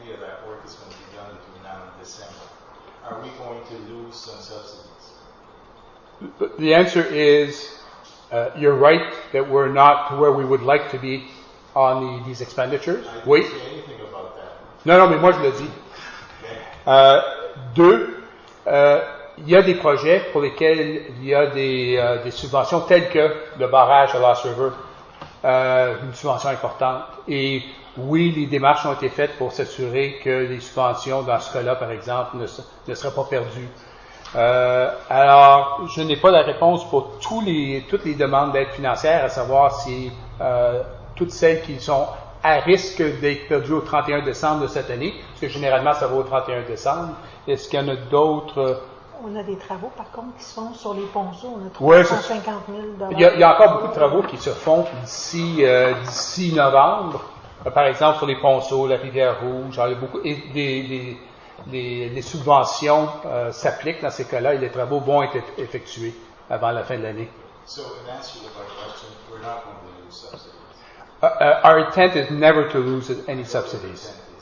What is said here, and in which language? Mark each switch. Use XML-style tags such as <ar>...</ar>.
<en>any of that work is going to be done between now and December. Are we going to lose some subsidies? The answer is, you're right that we're not to where we would like to be on these expenditures. I didn't say anything about that.</en> <fr>Non, mais moi je le dis. Deux, il y a des projets pour lesquels il y a des subventions telles que le barrage à Lost River, une subvention importante. Et oui, les démarches ont été faites pour s'assurer que les subventions, dans ce cas-là, par exemple, ne seraient pas perdues. Alors, je n'ai pas la réponse pour toutes les demandes d'aide financière, à savoir si toutes celles qui sont à risque d'être perdues au 31 décembre de cette année, parce que généralement, ça va au 31 décembre. Est-ce qu'il y en a d'autres? On a des travaux, par contre, qui se font sur les ponceaux. On a 350 000 $. Il y a encore beaucoup de travaux qui se font d'ici novembre. Par exemple, sur les ponceaux, la rivière Rouge, il y a beaucoup. Et les subventions s'appliquent dans ces cas-là et les travaux vont être effectués avant la fin de l'année.</fr> <en>So, in answer to my question, we're not going to lose subsidies. Our intent is never to lose any subsidies.</en>